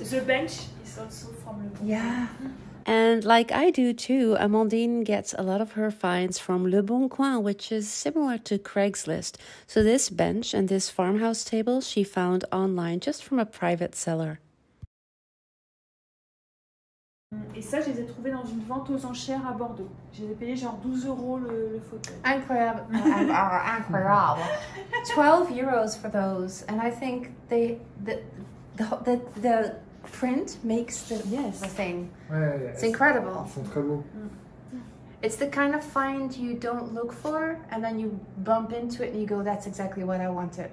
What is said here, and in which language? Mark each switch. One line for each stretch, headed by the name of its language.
English: Like the bench is also from Le Bon. Yeah. And like I do too, Amandine gets a lot of her finds from Le Bon Coin, which is similar to Craigslist. So this bench and this farmhouse table she found online just from a private seller.
French: Et ça, je les ai trouvés dans une vente aux enchères à Bordeaux. Je les ai payés genre 12 euros le fauteuil. Incroyable.
English: 12 euros for those. And I think the print makes the thing.
French: Ouais,
English: it's incredible.
French: Ils sont très beaux.
English: It's the kind of find you don't look for, and then you bump into it and you go, that's exactly what I wanted.